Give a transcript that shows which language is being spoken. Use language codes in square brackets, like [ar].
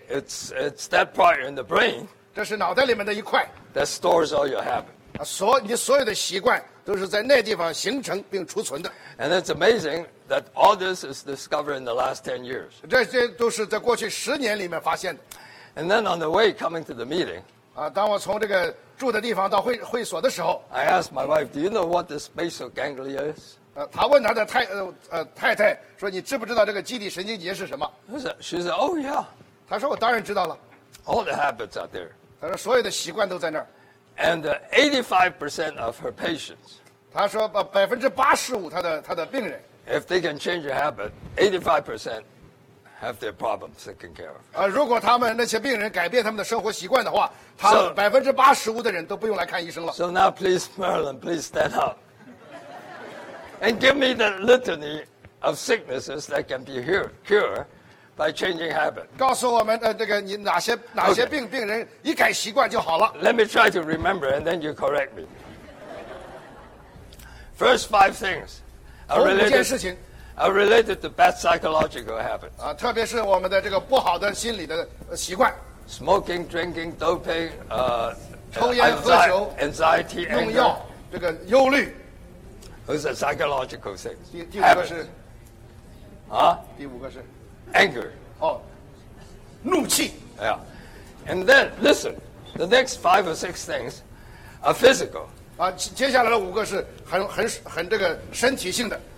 [en] It's that part in the brain. [zh] 这是脑袋里面的一块。 [en] That stores all your habits. [zh] 你所有的习惯都是在那地方形成并储存的。 [en] And it's amazing that all this is discovered in the last 10 years. [zh] 这都是在过去10年里面发现的。 [en] And then on the way coming to the meeting, [zh] 当我从这个住的地方到会所的时候, [en] I asked my wife, do you know what this basal ganglia is? [zh] 她问她的太太说, 你知不知道这个基底神经节是什么? [en] She said, oh yeah. [zh] 她说我当然知道了。 [en] All the habits are there. [zh] 她说所有的习惯都在那儿。 [en] And 85% of her patients. [zh] 他说85%他的病人. [en] If they can change a habit, 85% have their problems taken care of. [zh] 如果他们那些病人改变他们的生活习惯的话, 85%的人都不用来看医生了. [en] So now please, Merlin, please stand up. And give me the litany of sicknesses that can be cured by changing habit. [zh] 告诉我们，你哪些病人一改习惯就好了。 [en] Okay. Let me try to remember, and then you correct me. First five things are related to bad psychological habits. [zh] 特别是我们的这个不好的心理的习惯。 [en] Smoking, drinking, doping, [zh] 抽烟喝酒, [en] anxiety, [zh] 用药, [en] anger, [zh] 这个忧虑。 [en] Those are psychological things. [zh] 第五个是, 第五个是? [en] Anger. [zh] 怒气。 [en] Yeah. And then, listen, the next five or six things are physical. [zh] 接下来的五个是很身体性的。